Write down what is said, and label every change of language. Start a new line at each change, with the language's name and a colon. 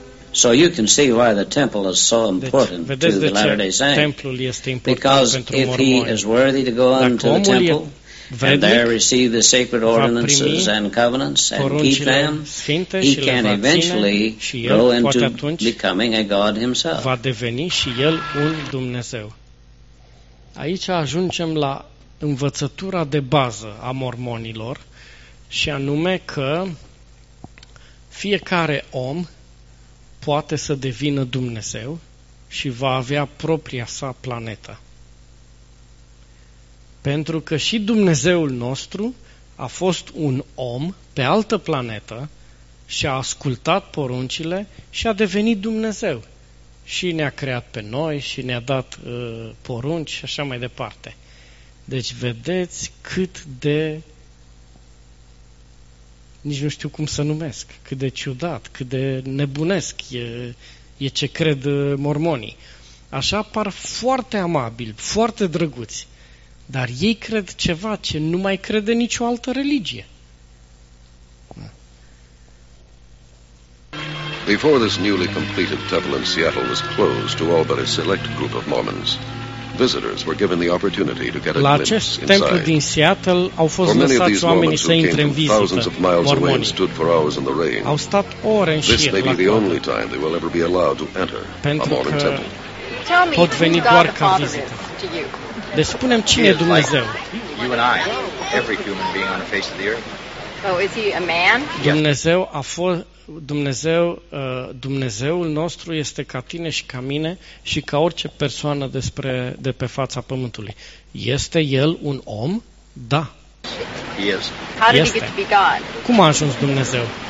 English: So you can see why the temple is so important
Romanian: deci,
English: to the Latter-day Saint.
Romanian: Templul este important
English: because
Romanian: pentru
English: if he is worthy to go into the temple and there receive the sacred ordinances and covenants and keep them, he can eventually grow into becoming a god himself.
Romanian: Va deveni și el un Dumnezeu. Aici ajungem la învățătura de bază a mormonilor și anume că fiecare om poate să devină Dumnezeu și va avea propria sa planetă. Pentru că și Dumnezeul nostru a fost un om pe altă planetă și a ascultat poruncile și a devenit Dumnezeu. Și ne-a creat pe noi și ne-a dat porunci și așa mai departe. Deci vedeți cât de, nici nu știu cum să numesc, cât de ciudat, cât de nebunesc e ce cred mormonii. Așa par foarte amabili, foarte drăguți, dar ei cred ceva ce nu mai crede nicio altă religie.
English: Before this newly completed temple in Seattle was closed to all but a select group of Mormons, visitors were given the opportunity to get a glimpse inside.
Romanian: La acest templu din Seattle au fost lăsați oamenii să intre în vizită.
English: Thousands of miles away and stood for hours in the rain.
Romanian: Au stat ore în șir.
English: This may be the only time they will ever be allowed to enter a Mormon temple.
Romanian: Pot veni doar ca vizită. Deci spune-mi cine e Dumnezeu.
English: You and I, every human being on the face of the earth. Oh, is he a man?
Romanian: Dumnezeu a fost Dumnezeu, Dumnezeul nostru este ca tine și ca mine și ca orice persoană de pe fața pământului. Este el un om? Da.
English: He is. How did he get to be God?
Romanian: Cum a ajuns Dumnezeu?